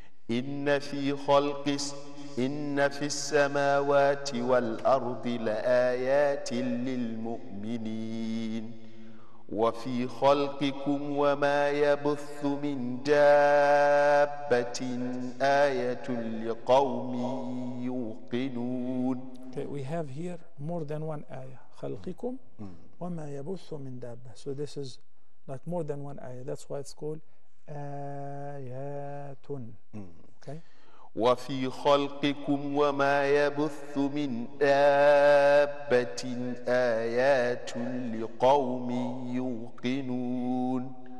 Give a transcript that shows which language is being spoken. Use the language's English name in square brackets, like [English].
[Arabic] إن في السماوات والأرض لآيات للمؤمنين. وفي خلقكم وما يبث من دابة آية لقوم يوقنون. [English] Okay, we have here more than one ayah. [Arabic] خلقكم وما يبث من دابة. [English] So this is like more than one ayah. That's why it's called آيات. Okay. [Arabic] وفي خلقكم وما يبث من دابة آيات لقوم يوقنون.